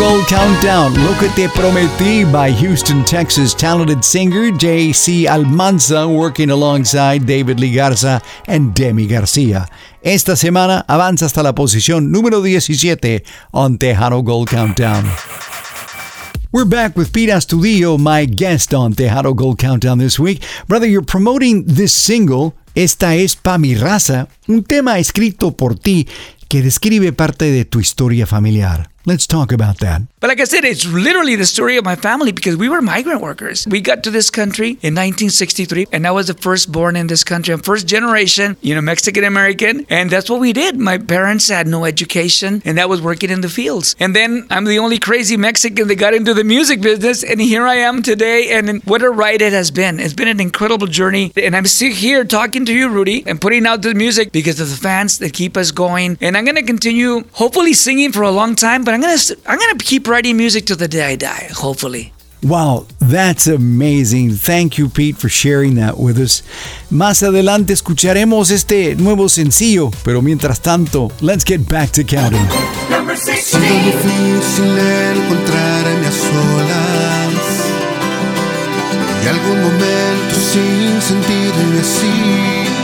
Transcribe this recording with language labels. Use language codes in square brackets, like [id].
[en] Countdown, Lo Que Te Prometí by Houston, Texas talented singer J.C. Almanza, working alongside David Lee Garza and Demi Garcia. [es] Esta semana avanza hasta la posición número 17 [en] on Tejano Gold Countdown. We're back with Pete Astudillo, my guest on Tejano Gold Countdown this week. Brother, you're promoting this single, [es] Esta Es Pa' Mi Raza, un tema escrito por ti que describe parte de tu historia familiar. [en] Let's talk about that. But like I said, it's literally the story of my family because we were migrant workers. We got to this country in 1963, and I was the first born in this country. I'm first generation, you know, Mexican-American, and that's what we did. My parents had no education, and that was working in the fields. And then I'm the only crazy Mexican that got into the music business, and here I am today, and what a ride it has been. It's been an incredible journey, and I'm still here talking to you, Rudy, and putting out the music because of the fans that keep us going. And I'm going to continue, hopefully, singing for a long time, but I'm gonna keep writing music till the day I die, hopefully. Wow, that's amazing. Thank you, Pete, for sharing that with us. [es] Más adelante escucharemos este nuevo sencillo, pero mientras tanto, [en] let's get back to counting. Number 16. [es] Es muy difícil encontrarme a solas y algún momento sin sentirme así.